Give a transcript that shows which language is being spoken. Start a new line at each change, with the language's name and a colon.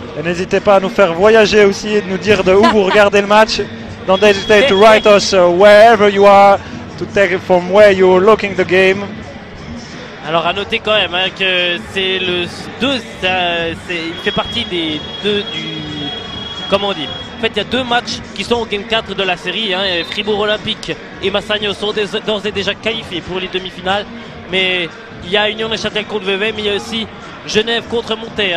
French: Et n'hésitez pas à nous faire voyager aussi et de nous dire de où vous regardez le match.
English: Don't hesitate to write us wherever you are. To take it from where you're looking the game.
French: Alors à noter quand même hein, que c'est le 2, il fait partie des deux du. Comment on dit ? En fait, il y a deux matchs qui sont au game 4 de la série. Hein, Fribourg Olympique et Massagno sont d'ores et déjà qualifiés pour les demi-finales. Mais il y a Union de Châtel contre Vevey, mais il y a aussi Genève contre Monté.